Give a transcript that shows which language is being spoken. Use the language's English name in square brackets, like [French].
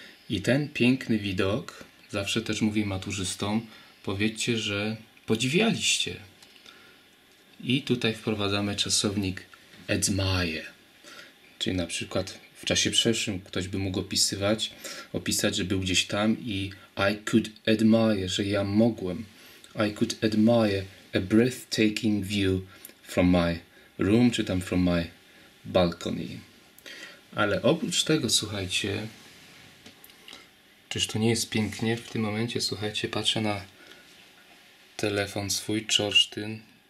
[Polish] I ten piękny widok, zawsze też mówię maturzystom, powiedzcie, że podziwialiście. I tutaj wprowadzamy czasownik admire. Czyli na przykład w czasie przeszłym ktoś by mógł opisać, że był gdzieś tam i [English] I could admire, [Polish] że ja mogłem. [English] I could admire a breathtaking view from my room, [Polish] czy tam [English] from my balcony. [Polish] Ale oprócz tego, słuchajcie, czyż to nie jest pięknie? W tym momencie, słuchajcie, patrzę na telefon swój, Czorsztyn.